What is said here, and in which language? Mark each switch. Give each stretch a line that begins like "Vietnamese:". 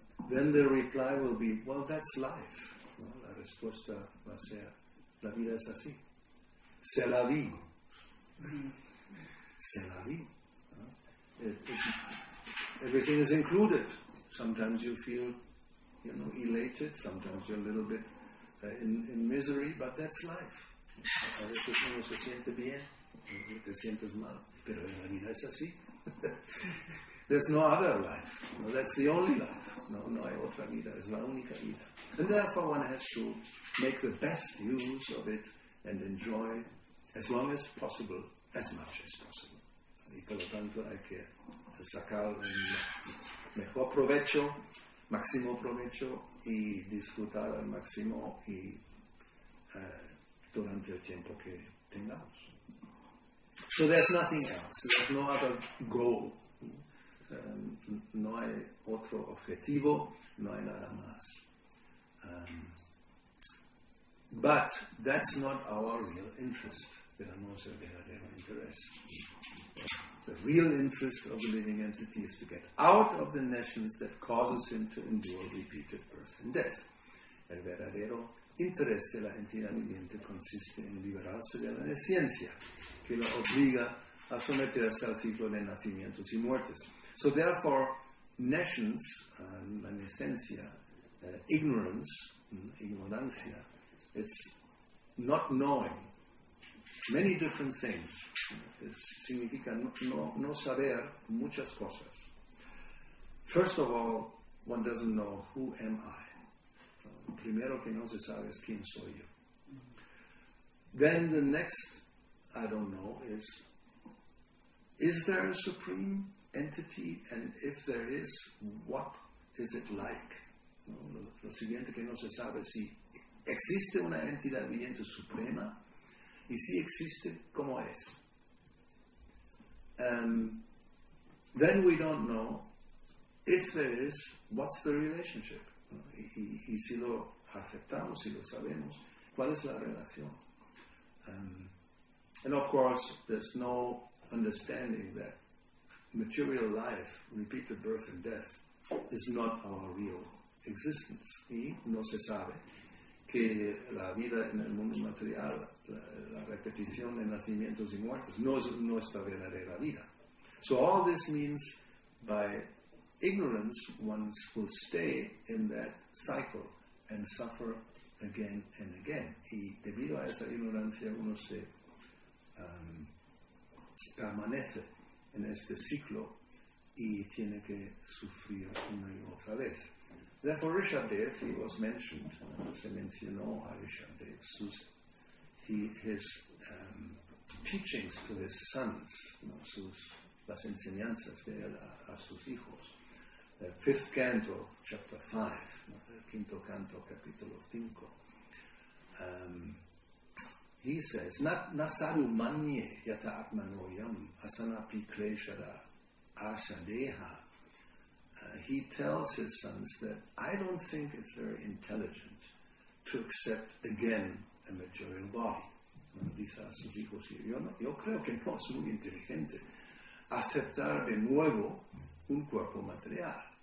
English: Then the reply will be, well, that's life.
Spanish: ¿No? La respuesta va a ser, la vida es así.
French: C'est la vie. C'est la vie.
English: Everything is included. Sometimes you feel, you know, elated. Sometimes you're a little bit in misery, but that's life.
Spanish: A veces uno se siente bien, te sientes mal, pero en la vida es así.
English: There's no other life. No, that's the only life.
Spanish: No hay otra vida. Es la única vida.
English: And therefore, one has to make the best use of it and enjoy as long as possible, as much as possible.
Spanish: Y por lo tanto, hay que sacar el mejor provecho, máximo provecho, y disfrutar al máximo y durante el tiempo que tengamos.
English: So there's nothing else. There's no other goal.
Spanish: No hay otro objetivo, no hay nada más.
English: But that's not our real interest.
Spanish: Pero no es el verdadero interés.
English: The real interest of the living entity is to get out of the nations that causes him to endure repeated birth and death.
Spanish: El verdadero interés de la entidad viviente consiste en liberarse de la nesciencia que lo obliga a someterse al ciclo de nacimientos y muertes.
English: So therefore, nations,
Spanish: la nesciencia,
English: ignorance,
Spanish: ignorancia,
English: it's not knowing many different things.
Spanish: It significa no saber muchas cosas.
English: First of all, one doesn't know who am I.
Spanish: Primero que no se sabe es quién soy yo.
English: Then the next, I don't know, is there a supreme entity? And if there is, what is it like?
Spanish: Lo siguiente que no se sabe es si existe una entidad viviente suprema. Y si existe, ¿cómo es?
English: Then we don't know if there is, what's the relationship?
Spanish: Y si lo aceptamos, si lo sabemos, ¿cuál es la relación?
English: And of course, there's no understanding that material life, repeated birth and death, is not our real existence.
Spanish: Y no se sabe que la vida en el mundo material, la repetición de nacimientos y muertes, no es nuestra verdadera vida.
English: So all this means by ignorance, one will stay in that cycle and suffer again and again.
Spanish: Y debido a esa ignorancia, uno se permanece en este ciclo y tiene que sufrir una y otra vez.
English: Therefore, Rishabdev, he was mentioned,
Spanish: se mencionó a Rishabdev,
English: his teachings to his sons, ¿no?
Spanish: Las enseñanzas de él a sus hijos.
English: The fifth canto, chapter 5,
Spanish: ¿no? El quinto canto, capítulo 5.
English: He says,
Sanskrit: Nasaru manye yata atmanoyam asanapi kleshada asadeha.
English: He tells his sons that I don't think it's very intelligent to accept again a material body.
Spanish: Dice a sus hijos, yo creo que no es muy inteligente aceptar de nuevo un cuerpo material.